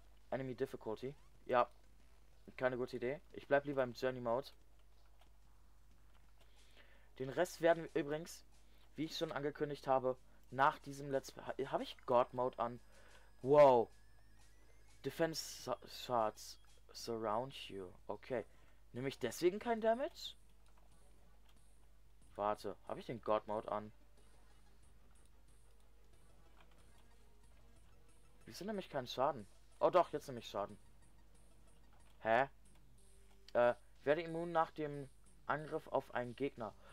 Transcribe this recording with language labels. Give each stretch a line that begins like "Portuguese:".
German: Enemy Difficulty. Ja, keine gute Idee. Ich bleibe lieber im Journey Mode. Den Rest werden wir übrigens, wie ich schon angekündigt habe, nach diesem Let's Play. Habe ich God Mode an? Wow.
English: Defense Shards surround you. Okay.
German: Nehme ich deswegen kein Damage? Warte, habe ich den God Mode an? Wieso nehme ich keinen Schaden? Oh doch, jetzt nehme ich Schaden. Hä? Werde immun nach dem Angriff auf einen Gegner.